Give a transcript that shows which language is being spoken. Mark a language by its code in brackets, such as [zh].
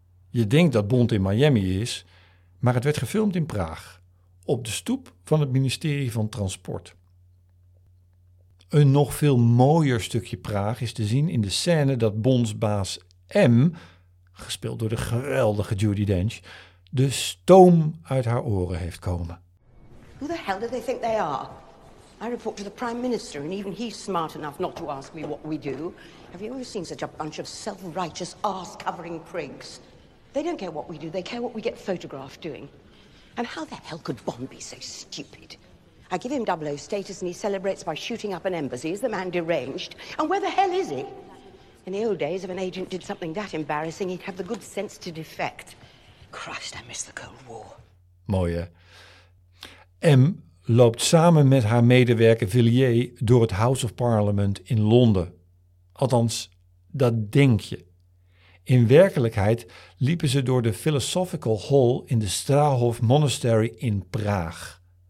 [nl] Je denkt dat Bond in Miami is, maar het werd gefilmd in Praag, op de stoep van het ministerie van Transport. Een nog veel mooier stukje Praag is te zien in de scène dat Bonds baas M, gespeeld door de geweldige Judi Dench, de stoom uit haar oren heeft komen. [en] Who the hell do they think they are? I report to the Prime Minister and even he's smart enough not to ask me what we do. Have you ever seen such a bunch of self-righteous, arse-covering prigs? They don't care what we do, they care what we get photographed doing. And how the hell could Bond be so stupid? I give him 00 status and he celebrates by shooting up an embassy. Is the man deranged? And where the hell is he? In the old days, if an agent did something that embarrassing, he'd have the good sense to defect. Christ, I miss the Cold War. [nl] Mooi, hè? M loopt samen met haar medewerker Villiers door het House of Parliament in Londen. Althans, dat denk je. In werkelijkheid liepen ze door de Philosophical Hall in de Strahov Monastery in Praag.